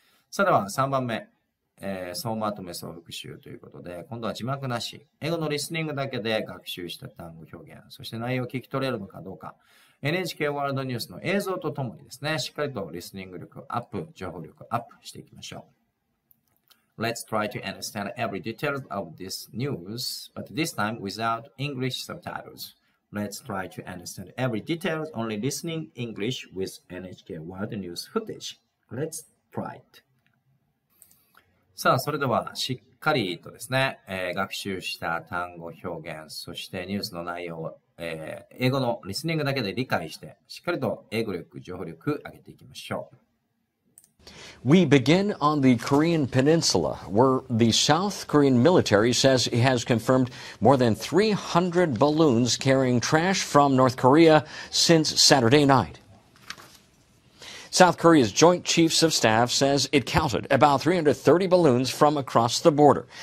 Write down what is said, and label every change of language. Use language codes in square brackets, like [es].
[ja] さあ、では3番目、総まとめ総復習ということで、今度は字幕なし、英語のリスニングだけで学習した単語表現、そして内容を聞き取れるのかどうか、 NHK ワールドニュースの映像とともにですね、しっかりとリスニング力アップ、情報力アップしていきましょう。 [en] Let's try to understand every detail of this news, but this time without English subtitles. Let's try to understand every detail only listening English with NHK ワールドニュース footage. Let's try it. [ja] さあ、それではしっかりとですね、学習した単語表現、そしてニュースの内容を、英語のリスニングだけで理解して、しっかりと英語力、情報力を上げていきましょう。 [en] We begin on the Korean Peninsula, where the South Korean military says it has confirmed more than 300 balloons carrying trash from North Korea since Saturday night. South Korea's Joint Chiefs of Staff says it counted about 330 balloons from across the border.